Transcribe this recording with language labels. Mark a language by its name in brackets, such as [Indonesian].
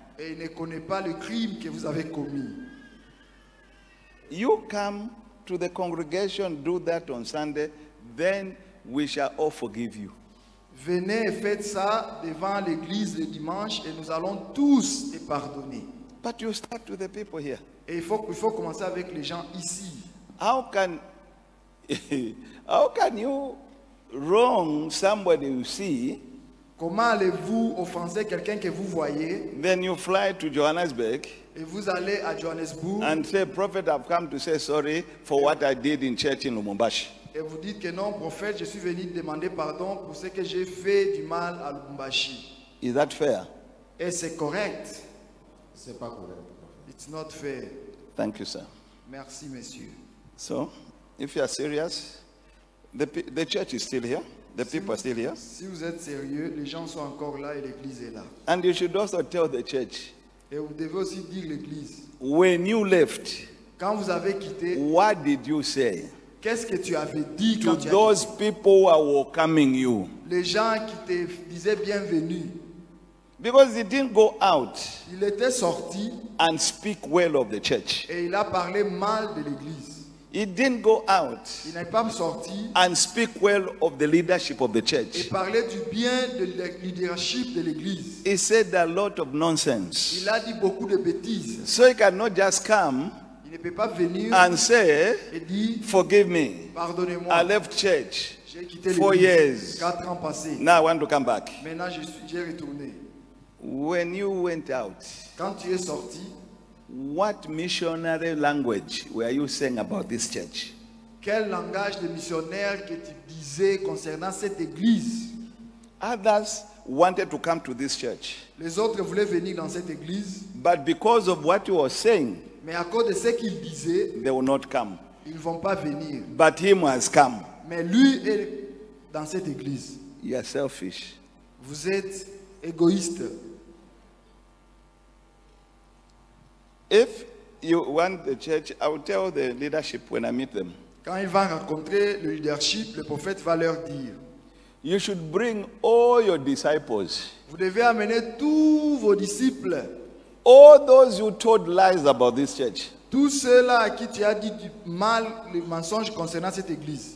[French] Et il ne connaît pas le crime que vous avez commis. [English] You come to the congregation, do that on Sunday. Then we shall all forgive you. [French] Venez et faites ça devant l'église le dimanche et nous allons tous te pardonner. [English] But you start with the people here. [French] Et il faut commencer avec les gens ici. [English] How can you wrong somebody you see, [French] comment allez-vous offenser quelqu'un que vous voyez? [English] Then you fly to Johannesburg. [French] Et vous allez à Johannesburg. [English] And say, prophet, I've come to say sorry for what I did in church in Lubumbashi. [French] Et vous dites que non, prophète, je suis venu demander pardon pour ce que j'ai fait du mal à Lubumbashi. [English] Is that fair? [French] Et c'est correct? C'est pas correct. [English] It's not fair. Thank you, sir. [French] Merci, monsieur. [English] So, if you are serious, the church is still here. The people are still here. [French] Si vous êtes sérieux, les gens sont encore là et l'église est là. [English] And you should also tell the church. [French] Et vous devez aussi dire l'église. [English] When you left. [French] Quand vous avez quitté. [English] What did you say? [French] Qu'est-ce que tu avais dit [English] to [French] quand tu [English] those as... people who are welcoming you? [French] Les gens qui te disaient bienvenue. [English] Because he didn't go out. [French] Il était sorti. [English] And speak well of the church. [French] Et il a parlé mal de l'église. [English] He didn't go out. [French] Il n'est pas sorti. [English] And speak well of the leadership of the church. [French] Et parlait du bien de le leadership de l'église. [English] He said a lot of nonsense. [French] Il a dit beaucoup de bêtises. [English] So he cannot just come. [French] Il ne peut pas venir. [English] And say, [French] et dit, [English] forgive me. [French] Pardonnez-moi. [English] I left church. [French] J'ai quitté [English] 4 years. [French] 4 ans passés. [English] Now I want to come back. [French] Maintenant j'ai retourné. [English] When you went out. [French] Quand tu es sorti. [English] What missionary language were you saying about this church? [French] Quel langage de missionnaire que tu disais concernant cette église? [English] Others wanted to come to this church. [French] Les autres voulaient venir dans cette église. [English] But because of what you were saying, [French] mais à cause de ce qu'il disait, [English] they will not come. [French] Ils vont pas venir. [English] But him has come. [French] Mais lui est dans cette église. [English] You are selfish. [French] Vous êtes égoïste. [English] If you want the church, I will tell the leadership when I meet them. [French] Quand ils vont rencontrer le leadership, le prophète va leur dire. [English] You should bring all your disciples. [French] Vous devez amener tous vos disciples. [English] All those you told lies about this church. [French] Tous ceux-là à qui tu as dit du mal, les mensonges concernant cette église.